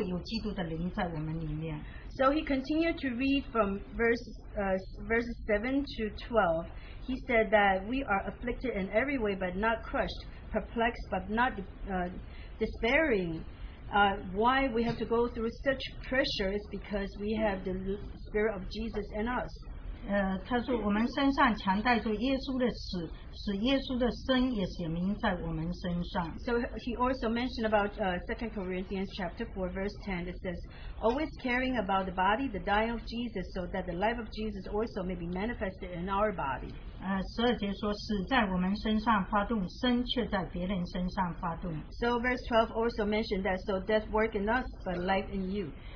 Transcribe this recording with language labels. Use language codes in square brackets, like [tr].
[zh] 然后他一直读到，其实有读到十二节，就是说我们四面受敌啊，却被困住，心里作难，却不失望。为什么会这样？因为有基督的灵在我们里面。So [en] he continued to read from verses 7 to 12. He said that we are afflicted in every way, but not crushed, perplexed, but not despairing. Why we have to go through such pressure is because we have the Spirit of Jesus in us. [zh] 他说我们身上强带着耶稣的死，使耶稣的生也显明在我们身上。 [en] So he also mentioned about 2 Corinthians chapter 4 verse 10. It says, always caring about the body, the dying of Jesus, so that the life of Jesus also may be manifested in our body. [zh] 十二节说死在我们身上发动，生却在别人身上发动。 [en] So verse 12 also mentioned that so death work in us, but life in you.